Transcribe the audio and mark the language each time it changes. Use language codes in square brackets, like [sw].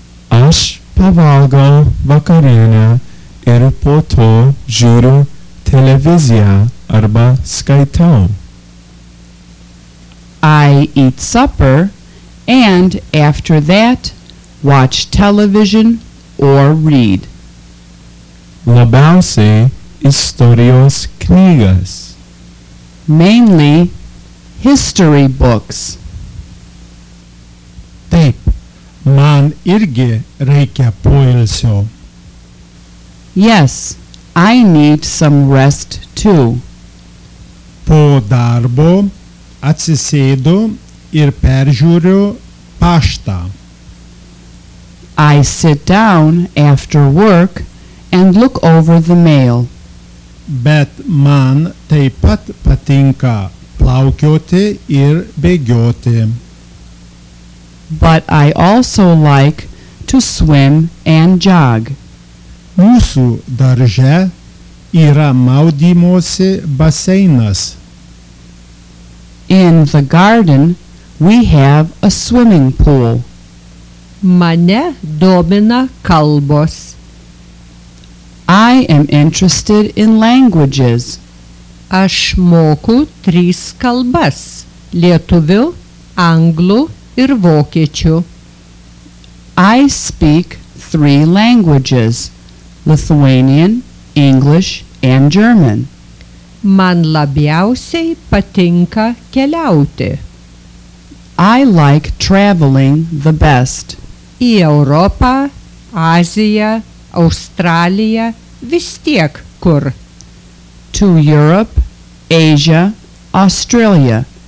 [lt] Aš pavalgau vakarienę ir po to žiūriu televiziją arba skaitau. [en] I eat supper and after that watch television or read. [lt] Labiausiai istorijos knygas. [en] Mainly history books. [lt] Taip, man irgi reikia poilsio. [en] Yes, I need some rest too. [lt] Po darbo atsisėdu ir peržiūriu paštą. [en] I sit down after work and look over the mail. [lt] Bet man taip pat patinka plaukioti ir bėgioti. [en] But I also like to swim and jog. [lt] Mūsų darže yra maudymosi baseinas. [en] In the garden we have a swimming pool. [lt] Mane domina kalbos. [en] I am interested in languages. [lt] Aš moku tris kalbas – lietuvių, anglų ir vokiečių. [en] I speak three languages – Lithuanian, English and German. [lt] Man labiausiai patinka keliauti. [en] I like traveling the best. [lt] Į Europą, Aziją, Australiją – vis tiek kur. [en] To Europe, Asia, Australia.